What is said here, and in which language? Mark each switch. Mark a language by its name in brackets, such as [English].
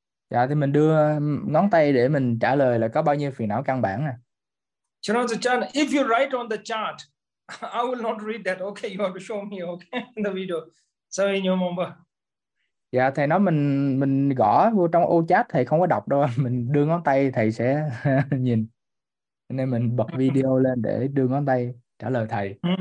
[Vietnamese] Dạ, thì mình đưa ngón tay để mình trả lời là có bao nhiêu phiền não căn bản à? [English] If you write on the chart, I will not read that. Okay, you have to show me, okay, in the video. So in your number. [Vietnamese] Dạ, thầy nói mình gõ vô trong ô chat, thầy không có đọc đâu, mình đưa ngón tay thầy sẽ nhìn, nên mình bật video lên để đưa ngón tay trả lời thầy.